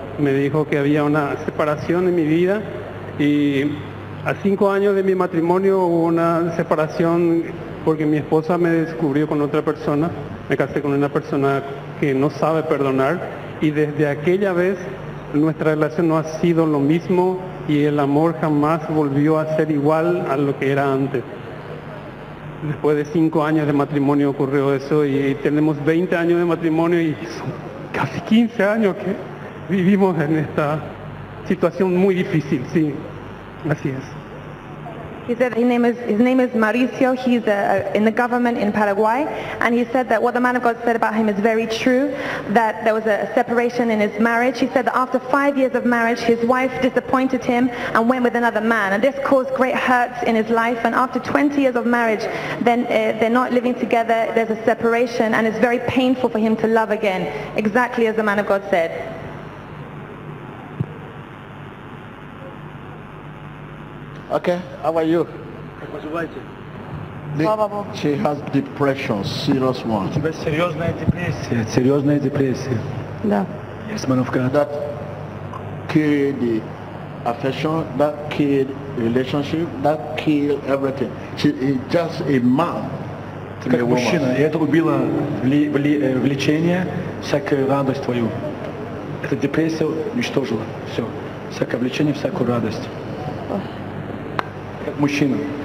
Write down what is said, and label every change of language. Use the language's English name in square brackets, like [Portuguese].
[Spanish] Me dijo que había una separación en mi vida y a 5 años de mi matrimonio hubo una separación porque mi esposa me descubrió con otra persona, me casé con una persona que no sabe perdonar y desde aquella vez nuestra relación no ha sido lo mismo y el amor jamás volvió a ser igual a lo que era antes. Después de 5 años de matrimonio ocurrió eso y tenemos 20 años de matrimonio y son casi 15 años que vivimos en esta situación muy difícil, sí, así es. [English] He said his name is Mauricio. He's in the government in Paraguay, and he said that what the man of God said about him is very true, that there was a separation in his marriage. He said that after 5 years of marriage, his wife disappointed him and went with another man, and this caused great hurts in his life. And after 20 years of marriage, then they're not living together, there's a separation, and it's very painful for him to love again, exactly as the man of God said. Okay, how are you? She has depression, serious one. Seriousness depression. [Russian] Да. [English] Yes, man of God. That killed the affection, that killed relationship, that killed everything. She is just a man. [Russian] Как мужчина, и это убило влечение, всякую радость твою. Эта депрессия уничтожила все. Всякое влечение, всякую радость. Мужчина.